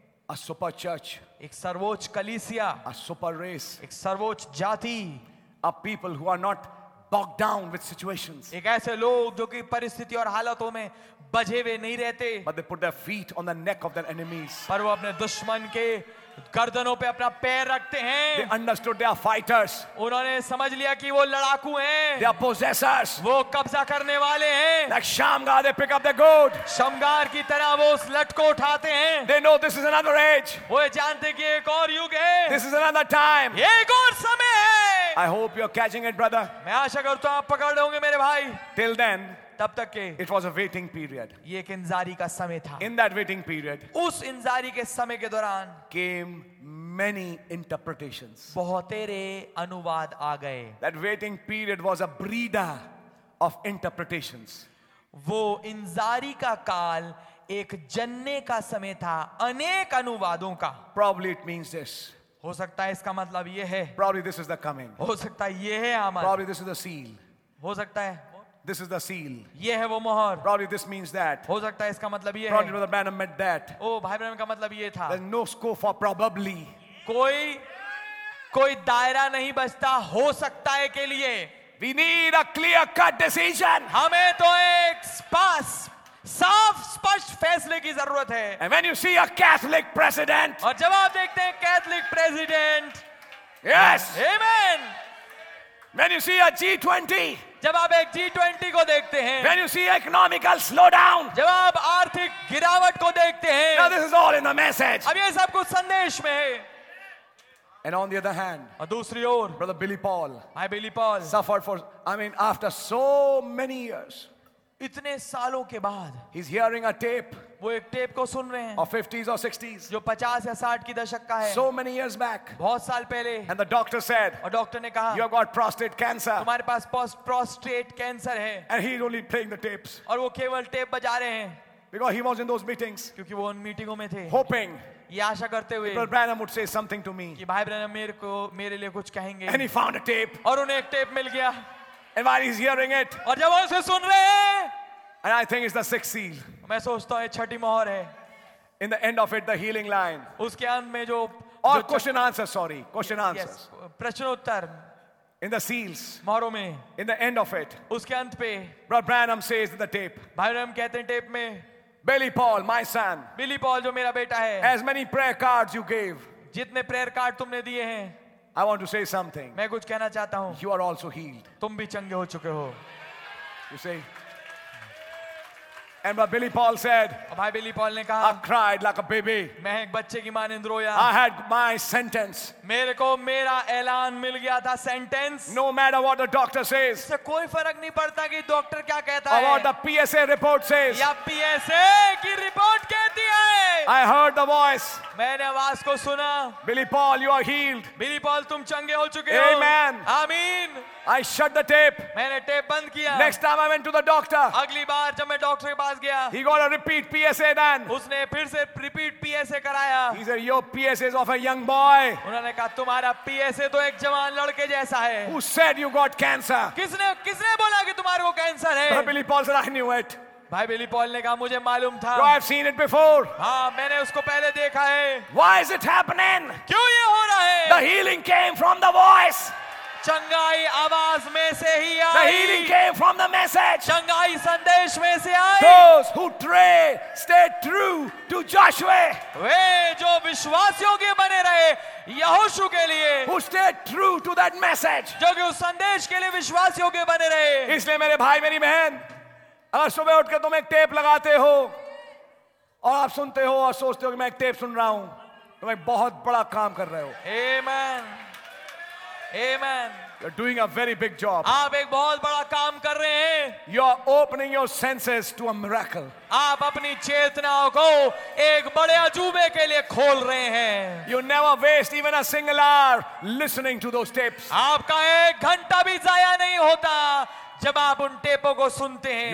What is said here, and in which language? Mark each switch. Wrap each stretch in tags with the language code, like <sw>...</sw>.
<en>a super church</en> <hi>एक सर्वोच्च कलीसिया</hi> <en>a super race</en> <hi>एक सर्वोच्च जाति</hi> <en>a people who are not bogged down with situations</en> <hi>एक ऐसे लोग जो कि परिस्थिति और हालातों में बजे हुए नहीं रहते</hi> <en>But they put their feet on the neck of their enemies.</en> <hi>पर वो अपने दुश्मन के गर्दनों पे अपना पैर रखते हैं</hi> <en>They understood they are fighters.</en> <hi>उन्होंने समझ लिया कि वो लड़ाकू हैं</hi> <en>They are possessors.</en> <hi>वो कब्जा करने वाले हैं</hi> <en>Like Shamgar, they pick up the goat.</en> <hi>शमगार की तरह वो उस लट को उठाते हैं</hi> <en>They know this is another age.</en> <hi>वो जानते कि एक और युग है</hi> <en>This is another time.</en> <hi>ये एक और समय है</hi> <en>I hope you're catching it, brother.</en> <hi>मैं आशा करता हूँ आप पकड़ लोगे मेरे भाई</hi> <en>Till then.</en> <hi>तब तक के</hi> <en>it was a waiting period</en> <hi>ये एक इंतजारी का समय था</hi> <en>in that waiting period</en> <hi>उस इंतजारी के समय के दौरान</hi> <en>came many interpretations</en> <hi>बहुतेरे अनुवाद आ गए</hi> <en>that waiting period was a breeder of interpretations</en> <hi>वो इंतजारी का काल एक जन्ने का समय था अनेक अनुवादों का</hi> <en>probably it means this</en> <hi>हो सकता है इसका मतलब ये है</hi> <en>probably this is the coming</en> <hi>हो सकता है ये है हमारा</hi> <en>probably this is the seal</en> <hi>हो सकता है</hi> <en>This is the seal.</en> <hi>ये है वो मोहर.</hi> <en>Probably this means that.</en> <hi>हो सकता है इसका मतलब ये है.</hi> <en>Probably Brother Branham meant that.</en> <hi>ओ भाई ब्रैनम का मतलब ये था.</hi> <en>There's no scope for probably.</en> <hi>कोई दायरा नहीं बचता हो सकता है के लिए.</hi> <en>We need a clear cut decision.</en> <hi>हमें तो एक साफ स्पष्ट फैसले की जरूरत है.</hi> <en>And when you see a Catholic president.</en> <hi>और जब आप देखते हैं Catholic president.</hi> <en>Yes. Amen. When you see a G20.</en> <hi>जब आप एक G20 को देखते हैं</hi> <en>When you see economical slowdown,</en> <hi>जब आप आर्थिक गिरावट को देखते हैं</hi> <en>Now this is all in the message.</en> <hi>अब ये सब कुछ संदेश में है</hi> <en>And on the other hand, brother Billy Paul, suffered for, after so many years,</en> <hi>इतने सालों के बाद,</hi> <en>he's hearing a tape.</en> <hi>वो एक टेप को सुन रहे हैं,</hi> <en>or 50s or 60s.</en> <hi>जो 50 या 60 की दशक का है.</hi> <en>So many years back.</en> <hi>बहुत साल पहले.</hi> <en>And the doctor said.</en> <hi>और डॉक्टर ने कहा,</hi> <en>you've got prostate cancer.</en> <hi>तुम्हारे पास प्रोस्टेट कैंसर है.</hi> <en>And he's only playing the tapes.</en> <hi>और वो केवल टेप बजा रहे हैं.</hi> <en>Because he was in those meetings.</en> <hi>क्योंकि वो उन मीटिंगों में थे.</hi> <en>Hoping.</en> <hi>याशा करते हुए.</hi> <en>Brother Branham would say something to me.</en> <hi>कि भाई ब्रैनम मेरे को मेरे लिए कुछ कहेंगे.</hi> <en>And he found a tape.</en> <hi>और उन्हें एक टेप मिल गया.</hi> <en>And while he's hearing it,</en> <hi>और जब वो उसे सुन रहे हैं,</hi> <en>and I think it's the sixth seal.</en> <hi>मैं सोचता हूँ ये छठी मोहर है.</hi> <en>In the end of it, the healing line.</en> <hi>उसके अंत में जो</hi> <en>और question answer, sorry, question answer. Yes.</en> <hi>प्रश्न उत्तर.</hi> <en>In the seals.</en> <hi>मोहरों में.</hi> <en>In the end of it.</en> <hi>उसके अंत पे.</hi> <en>Brother Branham says in the tape.</en> <hi>भाई ब्रैनम कहते हैं टेप में.</hi> <en>Billy Paul, my son.</en> <hi>Billy Paul, जो मेरा बेटा है.</hi> <en>As many prayer cards you gave.</en> <hi>जितने prayer card तुमने दिए हैं.</hi> <en>I want to say something.</en> <hi>मैं कुछ कहना चाहता हूँ.</hi> <en>You are also healed.</en> <hi>तुम भी चंगे हो चुके हो.</hi> <en>You see. And but Billy Paul said.</en> <hi>भाई बिली पॉल ने कहा.</hi> <en>I cried like a baby.</en> <hi>मैं एक बच्चे की मानिंद रोया.</hi> <en>I had my sentence.</en> <hi>मेरे को मेरा ऐलान मिल गया था sentence.</hi> <en>No matter what the doctor says.</en> <hi>इससे कोई फर्क नहीं पड़ता कि डॉक्टर क्या कहता</hi> <en>है. Or the PSA report says.</en> <hi>या PSA की रिपोर्ट कहती है.</hi> <en>I heard the voice.</en> <hi>मैंने आवाज को सुना.</hi> <en>Billy Paul, you are healed.</en> <hi>Billy Paul, तुम चंगे हो चुके</hi> <en>हो. Amen.</en> <hi>आमीन.</hi> <en>I shut the tape.</en> <hi>मैंने टेप बंद किया.</hi> <en>Next time I went to the doctor.</en> <hi>अगली बार जब मैं डॉक्टर के पास गया.</hi> <en>He got a repeat PSA then.</en> <hi>उसने फिर से repeat PSA कराया.</hi> <en>He said, your PSA is of a young boy.</en> <hi>उन्होंने कहा तुम्हारा PSA तो एक जवान लड़के जैसा है.</hi> <en>Who said you got cancer?</en> <hi>किसने बोला कि तुम्हारे को कैंसर है?</hi> <en>Billy Paul said, I knew it.</en> <hi>भाई बिली पॉल ने कहा मुझे मालूम था.</hi> <en>So I've seen it before.</en> <hi>हाँ मैंने उसको पहले देखा है.</hi> <en>Why is it happening?</en> <hi>क्यों ये हो रहा है?</hi> <en>The healing came from the voice.</en> <hi>चंगाई आवाज में से ही आई.</hi> <en>The healing came from the message.</en> <hi>चंगाई संदेश में से आई.</hi> <en>Those who stayed true to Joshua.</en> <hi>वे जो विश्वासियों के बने रहे यहोशू के लिए.</hi> <en>Who stayed true to that message.</en> <hi>जो कि उस संदेश के लिए विश्वासियों के बने रहे. इसलिए मेरे भाई मेरी बहन, अगर सुबह उठ के तुम एक टेप लगाते हो और आप सुनते हो और सोचते हो कि मैं एक टेप सुन रहा हूं, तुम एक बहुत बड़ा काम कर रहे हो.</hi> <en>Amen. Amen. You're doing a very big job.</en> <hi>आप एक बहुत बड़ा काम कर रहे हैं.</hi> <en>You are opening your senses to a miracle.</en> <hi>आप अपनी चेतनाओं को एक बड़े अजूबे के लिए खोल रहे हैं.</hi> <en>You never waste even a single hour listening to those tapes.</en> <hi>आपका एक घंटा भी जाया नहीं होता जब आप उन टेपों को सुनते हैं.</hi>